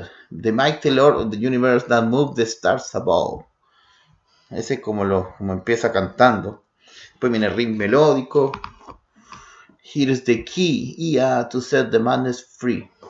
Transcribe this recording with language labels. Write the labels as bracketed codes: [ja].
[en] The Mighty Lord of the Universe that moved the stars above. [es] Ese es como empieza cantando. Después viene riff melódico. [en] Here's the key, yeah, to set the madness free.